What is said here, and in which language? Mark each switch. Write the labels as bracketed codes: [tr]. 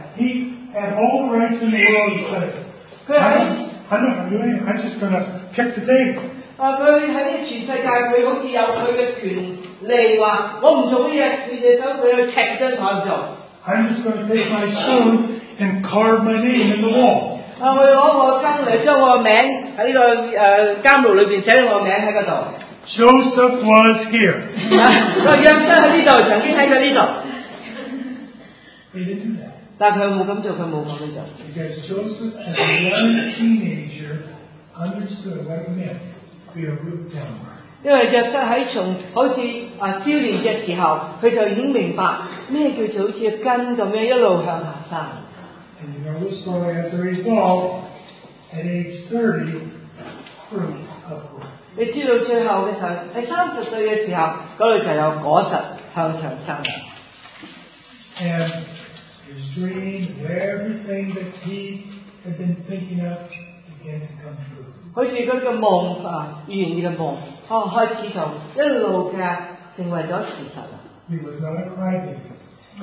[en] He had all the rights in the world. He said, "I'm just going to kick the day." [yue] 佢喺全世界佢好似有佢嘅权利话，我唔做呢嘢，你哋想佢去踢张台就。 [en] I'm just going to take my stone and carve my name in the wall. [yue] 我攞个钉嚟将我名喺呢个监牢里边写我名喺嗰度。 [en] Joseph was here. [yue] 我约瑟喺呢度，曾经喺咗呢度。但佢冇咁做，佢冇咁做。 [en] Because Joseph, as a young teenager, understood what it meant to be a root downward. [yue] 因为约瑟喺从好似少年嘅时候，佢就已经明白咩叫做好似根咁样一路向下生。 [en] And you know the story as a result, at age 30, fruit of work. [yue] 你知道最后嘅时候，喺30岁嘅时候，嗰度就有果实向上生。 [en] And his dream, everything that he had been thinking of, began to come true. [yue] 好似嗰个梦预言嘅梦，开始就一路嘅成为咗事实啦。 [en] He was not a crybaby.